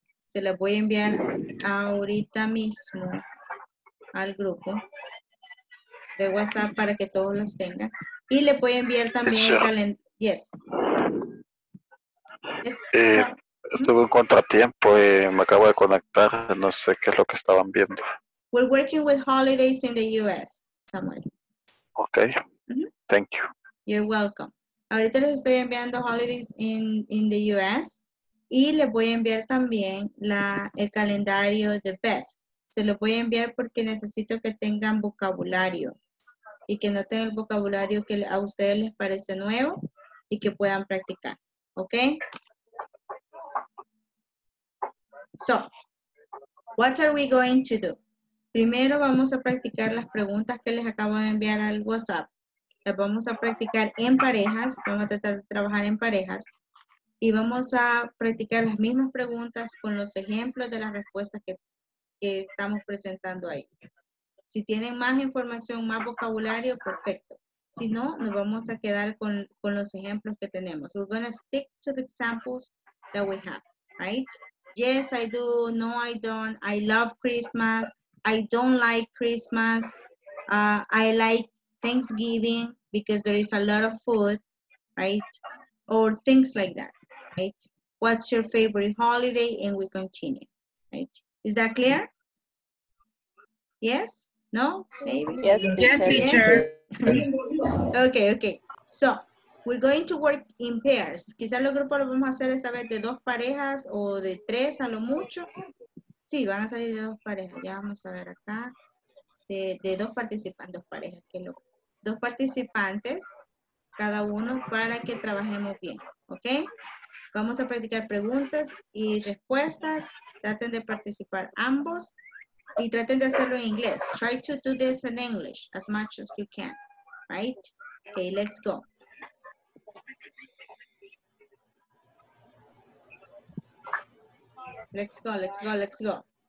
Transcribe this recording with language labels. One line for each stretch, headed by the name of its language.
Spanish: Se las voy a enviar ahorita mismo al grupo de WhatsApp para que todos las tengan. Y le puede enviar también el calendario.
English: Yes.
Spanish: Tuve un contratiempo y me acabo de conectar. No sé qué es lo que estaban viendo.
English: We're working with holidays in the U.S. Samuel. Okay. Mm-hmm. Thank you. You're welcome.
Spanish: Ahorita les estoy enviando
English: holidays in the U.S.
Spanish: Y le voy a enviar también el calendario de Beth. Se lo voy a enviar porque necesito que tengan vocabulario. Y que noten el vocabulario que a ustedes les parece nuevo y que puedan practicar. ¿Ok?
English: So, what are we going to do?
Spanish: Primero vamos a practicar las preguntas que les acabo de enviar al WhatsApp. Las vamos a practicar en parejas. Vamos a tratar de trabajar en parejas. Y vamos a practicar las mismas preguntas con los ejemplos de las respuestas que estamos presentando ahí. Si tienen más información, más vocabulario, perfecto. Si no, nos vamos a quedar con los ejemplos que tenemos.
English: We're going to stick to the examples that we have, right? Yes, I do. No, I don't. I love Christmas. I don't like Christmas. I like Thanksgiving because there is a lot of food, right? Or things like that, right? What's your favorite holiday? And we continue, right? Is that clear? Yes? No? Maybe? Yes, teacher. Yes, teacher. Okay, okay. So, we're going to work in pairs.
Spanish: Quizás los grupos los vamos a hacer esta vez de dos parejas o de tres a lo mucho. Sí, van a salir de dos parejas. Ya vamos a ver acá. De dos participantes, dos parejas. Que lo, dos participantes, cada uno para que trabajemos bien. ¿Ok? Vamos a practicar preguntas y respuestas. Traten de participar ambos y traten de hacerlo en inglés.
English: Try to do this in English as much as you can. Right? Okay, let's go. Let's go, let's go, let's go.